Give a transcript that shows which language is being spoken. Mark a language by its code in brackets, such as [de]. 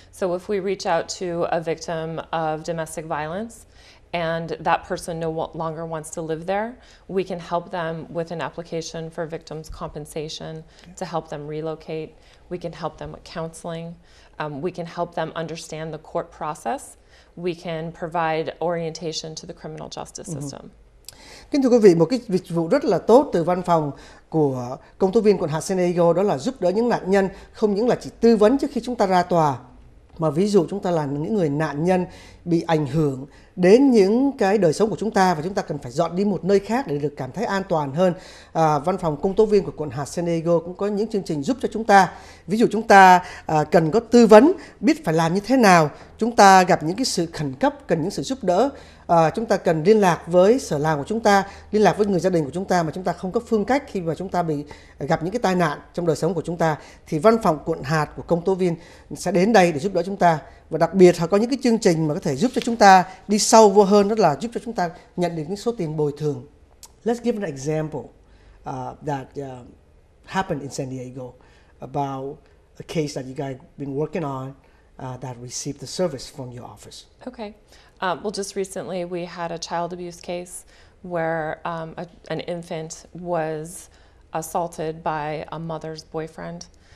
[en] So if we reach out to a victim of domestic violence and that person no longer wants to live there, we can help them with an application for victim's compensation to help them relocate. We can help them with counseling. We can help them understand the court process. We can provide orientation to the criminal justice system. [vi] Kính thưa quý vị, một cái dịch vụ rất là tốt từ văn phòng của công tố viên quận hạt San Diego, đó là giúp đỡ những nạn nhân không những là chỉ tư vấn trước khi chúng ta ra tòa, mà ví dụ chúng ta là những người nạn nhân bị ảnh hưởng đến những cái đời sống của chúng ta và chúng ta cần phải dọn đi một nơi khác để được cảm thấy an toàn hơn. Văn phòng công tố viên của quận hạt San Diego cũng có những chương trình giúp cho chúng ta. Ví dụ chúng ta cần có tư vấn, biết phải làm như thế nào. Chúng ta gặp những cái sự khẩn cấp, cần những sự giúp đỡ. Chúng ta cần liên lạc với sở làm của chúng ta, liên lạc với người gia đình của chúng ta mà chúng ta không có phương cách khi mà chúng ta bị gặp những cái tai nạn trong đời sống của chúng ta. Thì văn phòng quận hạt của công tố viên sẽ đến đây để giúp đỡ chúng ta. Và đặc biệt họ có những cái chương trình mà có thể giúp cho chúng ta đi sâu vô hơn, đó là giúp cho chúng ta nhận được những số tiền bồi thường. [en] Let's give an example that happened in San Diego about a case that you guys been working on that received the service from your office. Okay. Well, just recently we had a child abuse case where an infant was assaulted by a mother's boyfriend.